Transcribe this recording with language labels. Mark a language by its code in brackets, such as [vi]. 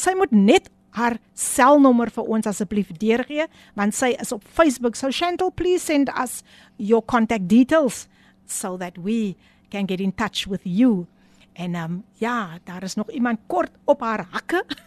[af] Sy moet net haar selnommer vir ons asseblief deurgee, want sy is op Facebook. [en] So Chantal, please send us your contact details so that we can get in touch with you. [af] En ja, daar is nog iemand kort op haar hakke.